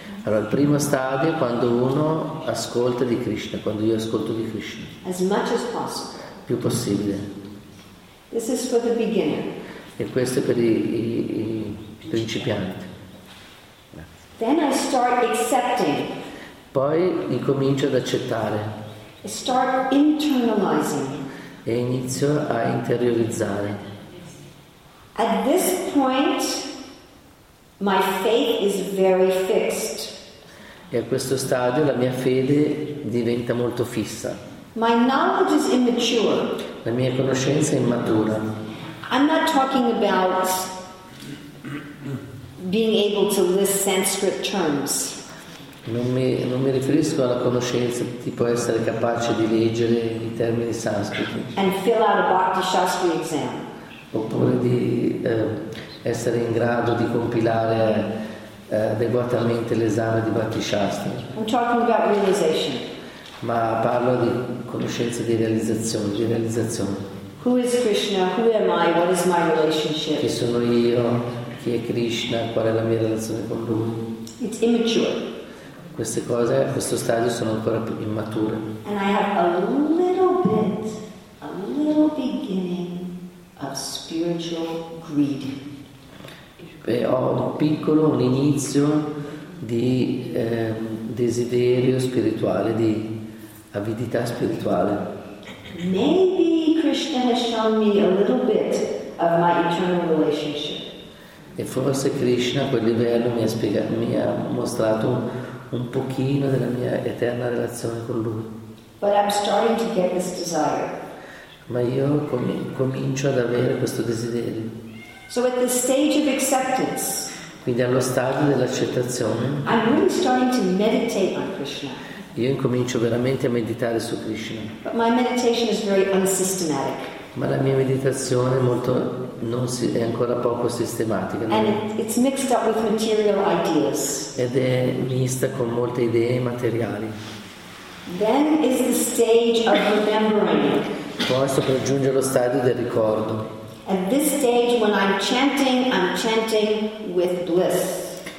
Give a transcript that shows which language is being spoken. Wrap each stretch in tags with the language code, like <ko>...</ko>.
<it>Allora, il primo stadio è quando uno ascolta di Krishna, quando io ascolto di Krishna.</it> <en>As much as possible.</en> <it>Più possibile.</it> <en>This is for the beginner.</en> <it>E questo è per i principianti.</it> <en>Then I start accepting.</en> <it>Poi incomincio ad accettare.</it> <en>I start internalizing.</en> <it>E inizio a interiorizzare.</it> <en>At this point, my faith is very fixed.</en> <it>E a questo stadio la mia fede diventa molto fissa.</it> <en>My knowledge is immature.</en> <it>La mia conoscenza è immatura.</it> <en>I'm not talking about being able to list Sanskrit terms.</en> <it>Non mi riferisco alla conoscenza tipo essere capace di leggere i termini sanscriti.</it> <en>And fill out a Bhakti Shastri exam.</en> <it>Oppure di essere in grado di compilare adeguatamente l'esame di Bhakti Shastri.</it> <en>I'm talking about realization.</en> <it>Ma parlo di conoscenza di realizzazione.</it> <en>Who is Krishna? Who am I? What is my relationship?</en> <it>Chi sono io? Chi è Krishna? Qual è la mia relazione con lui?</it> <en>It's immature.</en> <it>Queste cose, a questo stadio, sono ancora più immature.</it> <en>And I have a little beginning of spiritual greed.</en> <it>Ho un inizio di desiderio spirituale, di avidità spirituale.</it> <en>Maybe Krishna has shown me a little bit of my eternal relationship.</en> <it>E forse Krishna a quel livello mi ha mostrato un pochino della mia eterna relazione con lui.</it> <en>But I'm starting to get this desire.</en> <it>Ma io comincio ad avere questo desiderio.</it> <en>So at the stage of acceptance,</en> <it>quindi allo stadio dell'accettazione,</it> <en>I'm really starting to meditate on Krishna.</en> <it>Io incomincio veramente a meditare su Krishna.</it> <en>But my meditation is very unsystematic.</en> <it>Ma la mia meditazione è ancora poco sistematica.</it> <en>And it's mixed up with material ideas.</en> <it>Ed è mista con molte idee materiali.</it> <en>Then is the stage of remembering.</en> <it>Poi sto per giungere allo stadio del ricordo.</it> <en>At this stage, when I'm chanting with bliss.</en>